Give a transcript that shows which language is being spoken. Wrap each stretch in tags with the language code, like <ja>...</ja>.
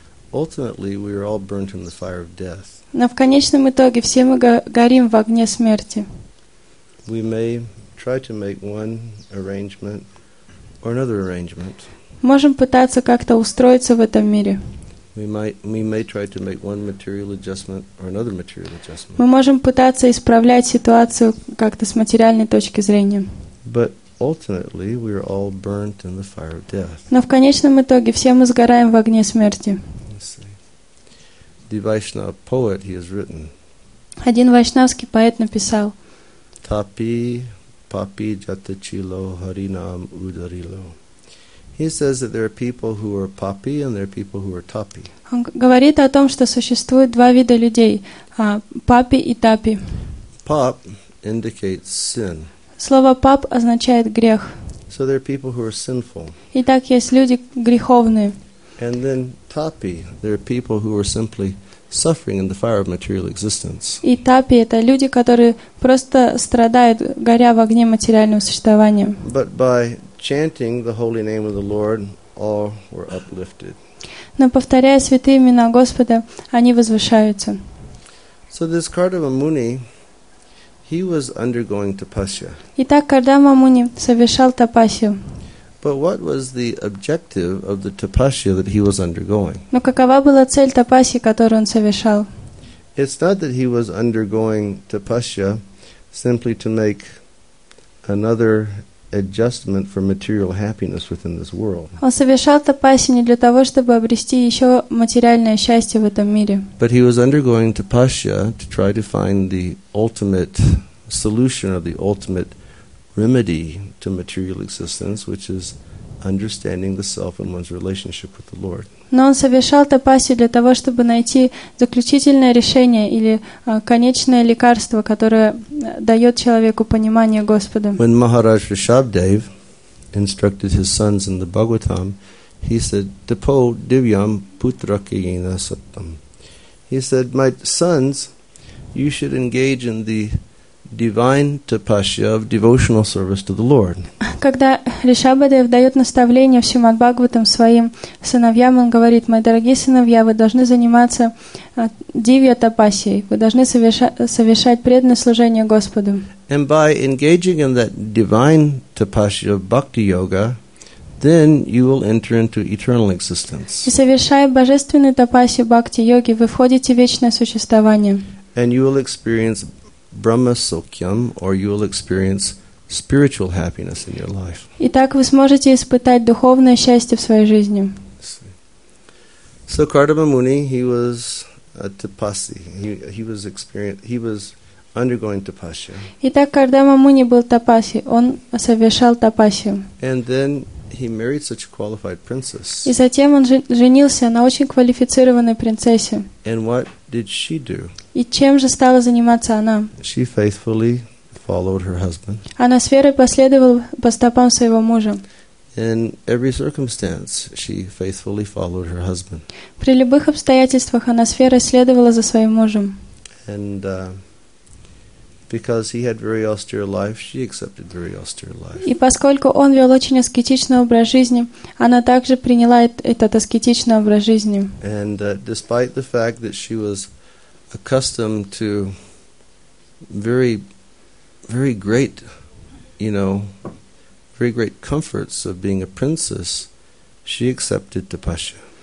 <en>Ultimately, we are all burnt in the fire of death.</en> <ru>Но в конечном итоге все мы горим в огне смерти.</ru> <en>We may try to make one arrangement or another arrangement.</en> <ru>Можем пытаться как-то устроиться в этом мире.</ru> <en>We may try to make one material adjustment or another material adjustment.</en> <ru>Мы можем пытаться исправлять ситуацию как-то с материальной точки зрения.</ru> <en>But ultimately, we are all burnt in the fire of death.</en> <ru>Но в конечном итоге все мы сгораем в огне смерти.</ru> <en>The Vaishnava poet he has written.</en> <ru>Один вайшнавский поэт написал.</ru> <bn>Tapi papi jatachilo harinam udarilo.</bn> <en>He says that there are people who are papi and there are people who are tapi.</en> <ru>Он говорит о том, что существует два вида людей, папи и тапи.</ru> <en>Pap indicates sin.</en> <ru>Слово пап означает грех.</ru> <en>So there are people who are sinful.</en> <ru>Итак, есть люди греховные.</ru> <en>And then tapi, there are people who are simply suffering in the fire of material existence.</en> <ru>И тапи — это люди, которые просто страдают, горя в огне материального существования.</ru> <en>But by chanting the holy name of the Lord, all were uplifted.</en> <ru>Но повторяя святые имена Господа, они возвышаются.</ru> <en>So this Kardama Muni, he was undergoing tapasya.</en> <ru>Итак, Кардама Муни совершал тапасию.</ru> <en>But what was the objective of the tapasya that he was undergoing?</en> <ru>Но какова была цель тапасии, которую он совершал?</ru> <en>It's not that he was undergoing tapasya simply to make another adjustment for material happiness within this world.</en> <ru>Он совершал тапасию не для того, чтобы обрести еще материальное счастье в этом мире.</ru> <en>But he was undergoing tapasya to try to find the ultimate solution or the ultimate remedy to material existence, which is understanding the self and one's relationship with the Lord.</en> <ru>Но он совершал тапасию для того, чтобы найти заключительное решение или конечное лекарство, которое дает человеку понимание Господа.</ru> <en>When Maharaj Rishabhdev instructed his sons in the Bhagavatam, he said,</en> <sa>"Tapo divyam putrakayena sattam."</sa> <en>He said, "My sons, you should engage in the divine tapasya of devotional service to the Lord."</en> <ru>Когда Ришабхадев дает наставление всем Бхагаватам своим сыновьям, он говорит: "Мои дорогие сыновья, вы должны заниматься дивья тапасией. Вы должны совершать преданное служение Господу."</ru> <en>And by engaging in that divine tapasya of bhakti yoga, then you will enter into eternal existence.</en> <ru>И совершая божественную тапасию бхакти йоги, вы входите в вечное существование.</ru> <en>And you will experience Brahma Sokyam, or you will experience spiritual happiness in your life.</en> <ru>Итак, вы сможете испытать духовное счастье в своей жизни.</ru> <en>So Kardama Muni, he was a tapasi. He was undergoing tapasya.</en> <ru>Итак, Кардама Муни был тапаси. Он совершал тапасию.</ru> <en>And then he married such a qualified princess.</en> <ru>И затем он женился на очень квалифицированной принцессе.</ru> <en>And what did she do?</en> <ru>И чем же стала заниматься она?</ru> <en>She faithfully followed her husband.</en> <ru>Она с верой последовала по стопам своего мужа.</ru> <en>In every circumstance, she faithfully followed her husband.</en> <ru>При любых обстоятельствах она с верой следовала за своим мужем.</ru> <en>And because he had very austere life, she accepted very austere life.</en> <ru>И поскольку он вел очень аскетичный образ жизни, она также приняла этот аскетичный образ жизни.</ru> <en>And despite the fact that she was accustomed to very, very great, you know, very great comforts of being a princess, she accepted the pasha.</en>